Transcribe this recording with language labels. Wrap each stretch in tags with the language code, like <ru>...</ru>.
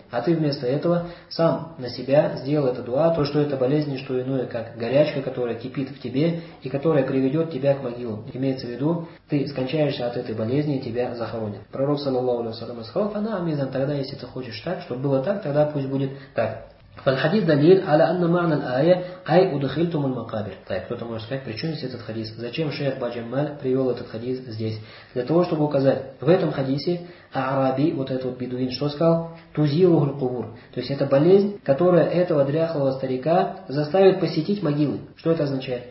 <ru>А ты вместо этого сам на себя сделал это дуа, то, что эта болезнь не что иное, как горячка, которая кипит в тебе, и которая приведет тебя к могилам. Имеется в виду, ты скончаешься от этой болезни, и тебя захоронят. Пророк, саллаллаху алейхи ва саллям, сказал:</ru> <ar>фана амизан,</ar> <ru>тогда, если ты хочешь так, чтобы было так, тогда пусть будет так.</ru> <ar>فالحديث دليل على أن معنى الآية أي أدخلتم المقابر.</ar> <ru>طيب кто-то может сказать, при чем здесь этот хадис? Зачем шейх Баджамаль привел этот хадис здесь? Для того, чтобы указать, в этом хадисе араби, вот этот вот бедуин, что сказал?</ru> <ar>Тузилу гуль-кубур.</ar> <ru>То есть это болезнь, которая этого дряхлого старика заставит посетить могилы. Что это означает?</ru>